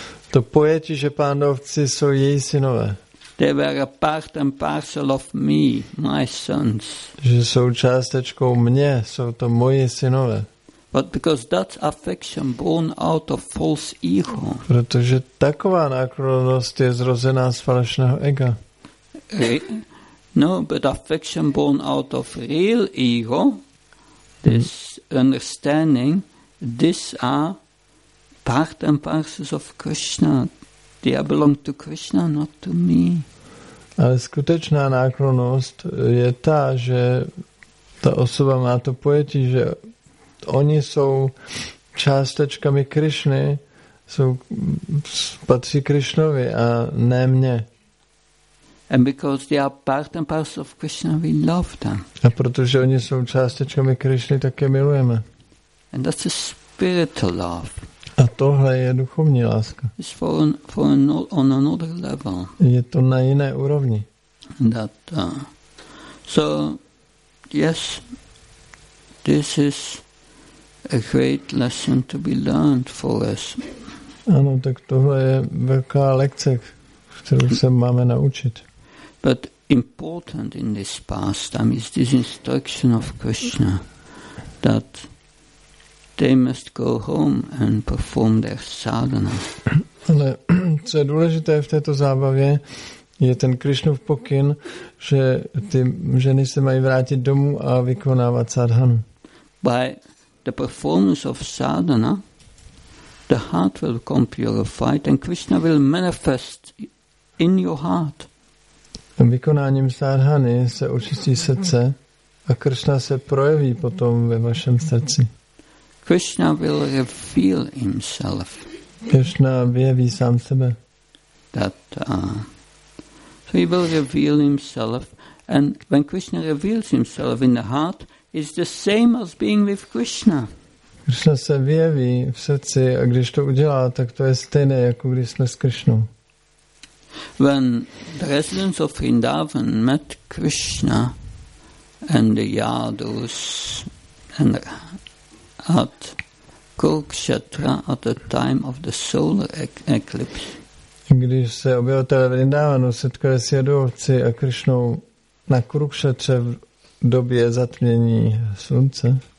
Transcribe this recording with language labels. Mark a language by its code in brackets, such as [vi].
[cs] To pojetí, že pánovci jsou její synové. [en] They were a part and parcel of me, my sons. [cs] Že jsou částečkou mě, jsou to moje synové. [en] But because that's affection born out of false ego. [cs] Protože taková náklonnost je zrozená z falešného ega. [en] No, but affection born out of real ego, this understanding, this are part and parcels of Krishna. They belong to Krishna, not to me. [cs] Ale skutečná náklonnost je ta, že ta osoba má to pojetí, že oni jsou částečkami Krishny, patří Krishnovi a ne mně. [en] And because they are part and parcels of Krishna, we love them. [cs] A protože oni jsou částečkami Krishny, tak je milujeme. [en] And that's a spiritual love. [cs] A tohle je duchovní láska. [en] It's on another level. [cs] Je to na jiné úrovni. [en] That, so, yes, this is a great lesson to be learned for us. [cs] Ano, tak tohle je velká lekce, kterou se máme naučit. [en] But important in this pastime is this instruction of Krishna that they must go home and perform their sadhana. [cs] Ale co je důležité v této zábavě, je ten Krishnův pokyn, že ty ženy se mají vrátit domů a vykonávat sadhanu. [en] By the performance of sadhana, the heart will come purified and Krishna will manifest in your heart. [cs] Vykonáním sadhany se očistí srdce a Krishna se projeví potom ve vašem srdci. [en] Krishna will reveal himself. [cs] Krishna vyjeví sám sebe. [en] So he will reveal himself, and when Krishna reveals himself in the heart, it's the same as being with Krishna. [cs] Krishna se vyjeví v srdci, a když to udělá, tak to je stejné, jako když jsme s Krishnou. [en] When the residents of Vrindavan met Krishna, and the Yadus and at Kurukshetra at the time of the solar eclipse. [cs] Když se obyvatelé Vrindavanu setkali s jadovci a Krišnou na Kurukshetře v době zatmění slunce.